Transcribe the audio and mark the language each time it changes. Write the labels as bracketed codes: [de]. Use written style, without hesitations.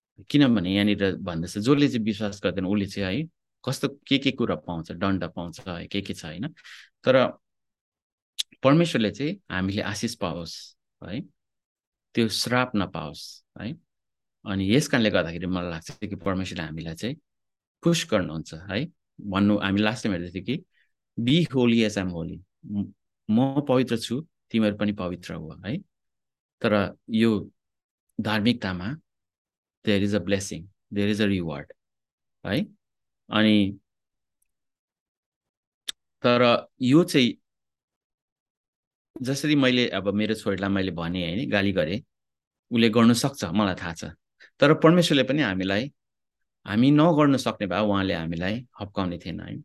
[ne] किनभने यहाँनिर भन्दैछ जसले चाहिँ विश्वास गर्दैन उसले चाहिँ है कस्तो के कुरा पाउँछ, दण्ड पाउँछ है, के छ होइन, तर परमेश्वरले चाहिँ हामीले आशिष पाओस् है, त्यो श्राप नपाओस् है। अनि यस कारणले गर्दाखेरि मलाई लाग्छ कि परमेश्वरले हामीलाई चाहिँ पुस गर्नुहुन्छ है, भन्नु हामी लास्ट टाइम हेर्दै थियो कि [en] be holy as I'm holy, [ne] म पवित्र छु तिमीहरू पनि पवित्र हो है। [en] तर यो धार्मिकतामा there is a blessing, there is a reward है। [ne] अनि तर यो चाहिँ जसरी मैले अब मेरो छोरीलाई मैले भने होइन गाली गरेँ, उसले गर्नु सक्छ मलाई थाहा छ, तर परमेश्वरले पनि हामीलाई हामी नगर्नु सक्ने भए उहाँले हामीलाई हप्काउने थिएन है।